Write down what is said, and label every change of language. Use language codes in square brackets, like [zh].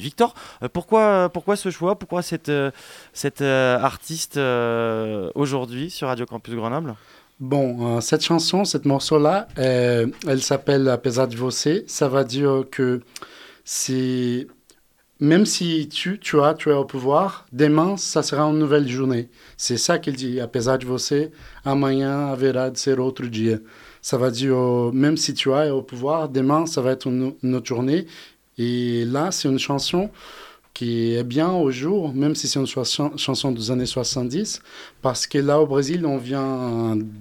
[fr] Victor, pourquoi ce choix? Pourquoi cette artiste aujourd'hui sur Radio Campus Grenoble? Bon, cette chanson, cette morceau-là, elle s'appelle « Apesar de você ». Ça va dire que c'est... Même si tu es au pouvoir, demain, ça sera une nouvelle journée. C'est ça qu'il dit. [pt] Apesar de você, amanhã haverá de ser outro dia. [fr] Ça va dire, même si tu es au pouvoir, demain, ça va être une autre journée. Et là, c'est une chanson qui est bien au jour, même si c'est une chanson des années 70, parce que là, au Brésil, on vient